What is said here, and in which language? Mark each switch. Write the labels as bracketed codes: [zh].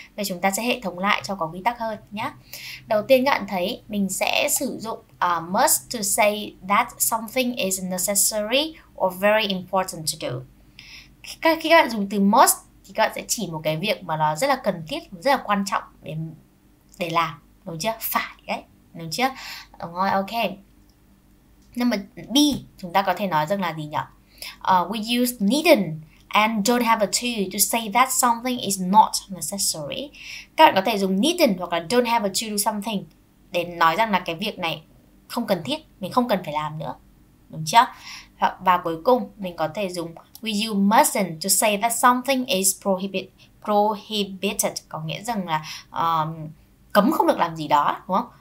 [vi] Vậy chúng ta sẽ hệ thống lại cho có quy tắc hơn nhé. Đầu tiên các bạn thấy mình sẽ sử dụng must [en] to say that something is necessary or very important to do. [vi] Khi các bạn dùng từ must thì các bạn sẽ chỉ một cái việc mà nó rất là cần thiết, rất là quan trọng để làm, đúng chưa? Phải đấy, đúng chưa? Đúng rồi, ok. Number B, chúng ta có thể nói rằng là gì nhỉ? [en] We use needn't and don't have a to say that something is not necessary. [vi] Các bạn có thể dùng needn't hoặc là don't have a to do something để nói rằng là cái việc này không cần thiết, mình không cần phải làm nữa, đúng chưa? Và cuối cùng, mình có thể dùng [en] we use mustn't to say that something is prohibited, [vi] có nghĩa rằng là cấm không được làm gì đó, đúng không?